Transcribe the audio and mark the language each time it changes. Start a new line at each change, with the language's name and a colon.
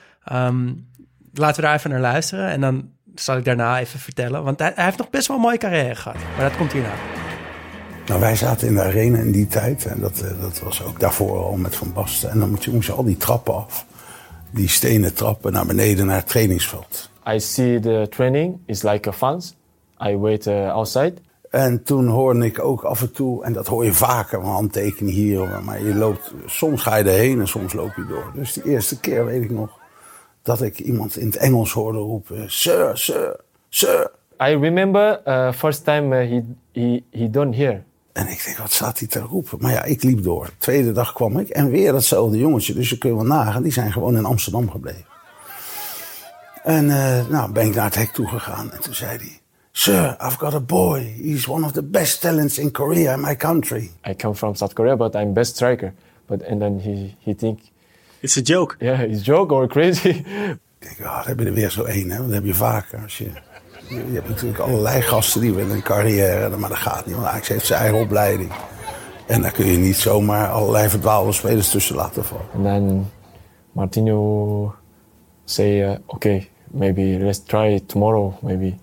Dutch: Laten we daar even naar luisteren. En dan zal ik daarna even vertellen. Want hij heeft nog best wel een mooie carrière gehad. Maar dat komt hierna. Nou, wij zaten in de arena in die tijd. En dat was ook daarvoor al met Van Basten. En dan moest je al die trappen af. Die stenen trappen naar beneden naar het trainingsveld.
English: I see the training is like a fans. I wait outside.
Dutch: En toen hoorde ik ook af en toe, en dat hoor je vaker, van handtekening hier. Maar je loopt, soms ga je erheen en soms loop je door. Dus de eerste keer weet ik nog dat ik iemand in het Engels hoorde roepen,
English: sir, sir, sir. I remember first time he don't hear.
Dutch: En ik denk, wat staat hij te roepen? Maar ja, ik liep door. Tweede dag kwam ik en weer datzelfde jongetje. Dus je kunt wel nagaan, die zijn gewoon in Amsterdam gebleven. En nou ben ik naar het hek toe gegaan en toen zei hij,
English: sir, I've got a boy. He's one of the best talents in Korea, in my country. I come from South Korea, but I'm best striker. But and then he think, it's a joke. Yeah, it's a joke or crazy.
Dutch: Ik denk, oh, daar heb je er weer zo één, hè? Want dat heb je vaker. Als je hebt natuurlijk allerlei gasten die willen een carrière, maar dat gaat niet, want Ajax heeft zijn eigen opleiding. En daar kun je niet zomaar allerlei verdwaalde spelers tussen laten vallen. En dan Martino zei, oké,
English: maybe let's try it tomorrow, maybe.